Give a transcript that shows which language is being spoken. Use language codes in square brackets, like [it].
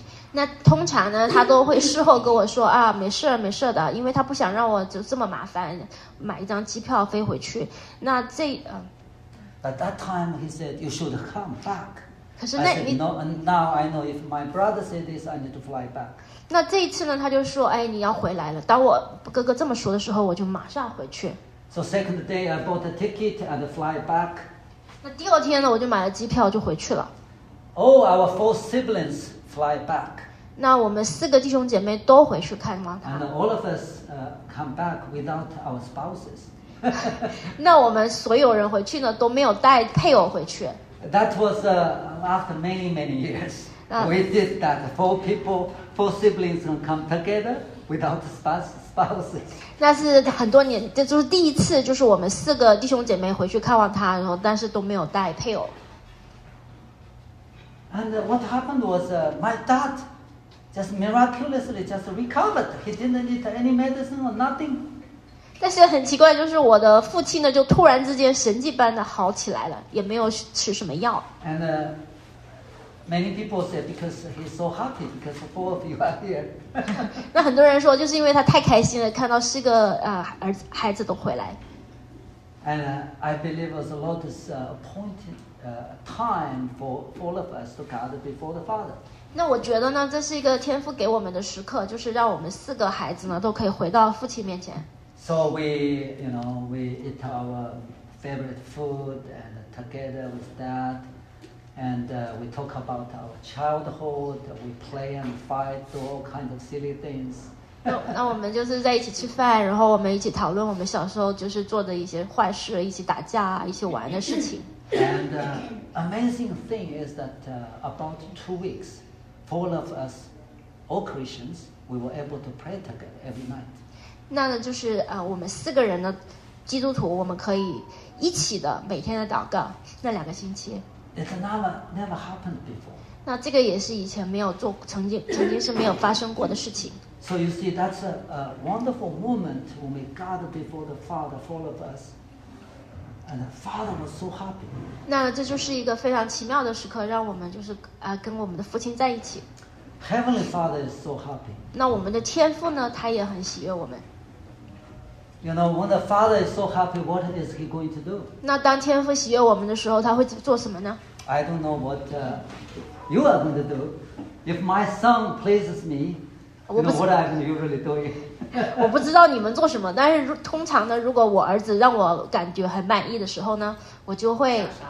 [zh] 那通常呢，他都会事后跟我说啊，没事没事的，因为他不想让我就这么麻烦，买一张机票飞回去。那这 [en] At that time he said you should come back. [zh] 可是那 [en] I said, no, now I know if my brother said this, I need to fly back. [zh] 那这一次呢，他就说，哎，你要回来了。当我哥哥这么说的时候，我就马上回去。 [en] So second day I bought a ticket and fly back. [zh] 那第二天呢，我就买了机票就回去了。 [en] All our four siblings fly back. [zh] 那我们四个弟兄姐妹都回去看望他。 [en] And all of us come back without our spouses. [zh] 那我们所有人回去呢都没有带配偶回去。 [en] That was after many many years. We did that. Four people, four siblings can come together without spouses. [zh] 那是很多年，这就是第一次，就是我们四个弟兄姐妹回去看望他，然后但是都没有带配偶。 [en] And what happened was my dad just miraculously just recovered. He didn't need any medicine or nothing. [zh] 但是很奇怪，就是我的父亲呢，就突然之间神迹般的好起来了，也没有吃什么药。 [en] And many people said because he's so happy because four of you are here. [zh] 那很多人说，就是因为他太开心了，看到四个孩子都回来。 [en] And I believe the Lord is appointed. Time for all of us to gather before the Father. [zh] 那我觉得呢，这是一个天父给我们的时刻，就是让我们四个孩子呢都可以回到父亲面前。 [en] So we, you know, we eat our favorite food and together with Dad, and we talk about our childhood. We play and fight, do all kinds of silly things. [zh] 那我们就是在一起吃饭，然后我们一起讨论我们小时候就是做的一些坏事，一起打架，一起玩的事情。 [en] And amazing thing is that about 2 weeks, four of us, all Christians, we were able to pray together every night. [zh] 那呢就是我们四个人呢，基督徒，我们可以一起的每天的祷告那两个星期。 [en] It never happened before. [zh] 那这个也是以前没有做，曾经是没有发生过的事情。 [en] So you see, that's a wonderful moment when we got before the Father, all of us, and the Father was so happy. [zh] 那这就是一个非常奇妙的时刻，让我们就是跟我们的父亲在一起。 [en] Heavenly Father is so happy. [zh] 那我们的天父呢？他也很喜悦我们。 [en] You know, when the Father is so happy, what is he going to do? [zh] 那当天父喜悦我们的时候，他会做什么呢？ [en] I don't know what you are going to do. If my son pleases me, you know what I'm usually doing. [zh] 我不知道你们做什么，但是通常呢，如果我儿子让我感觉很满意的时候呢，我就会。